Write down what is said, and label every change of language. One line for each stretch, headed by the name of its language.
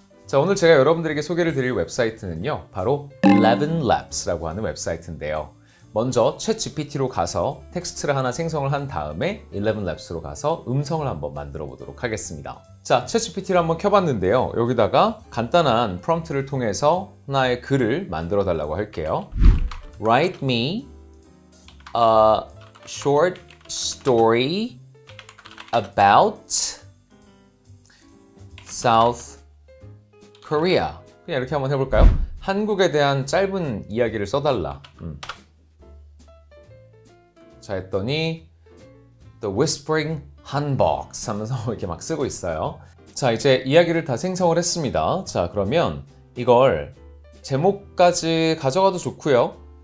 Korean: 자, 오늘 제가 여러분들에게 소개를 드릴 웹사이트는요, 바로 11labs라고 하는 웹사이트인데요. 먼저 ChatGPT로 가서 텍스트를 하나 생성을 한 다음에 11labs로 가서 음성을 한번 만들어 보도록 하겠습니다. 자, ChatGPT를 한번 켜봤는데요, 여기다가 간단한 프롬프트를 통해서 하나의 글을 만들어 달라고 할게요.
English: Write me a short story about South Korea.
Korean: 그냥 이렇게 한번 해볼까요? 한국에 대한 짧은 이야기를 써달라. 자, 했더니 The Whispering Hanbok 하면서 이렇게 막 쓰고 있어요. 자, 이제 이야기를 다 생성을 했습니다. 자, 그러면 이걸 제목까지 가져가도 좋고요.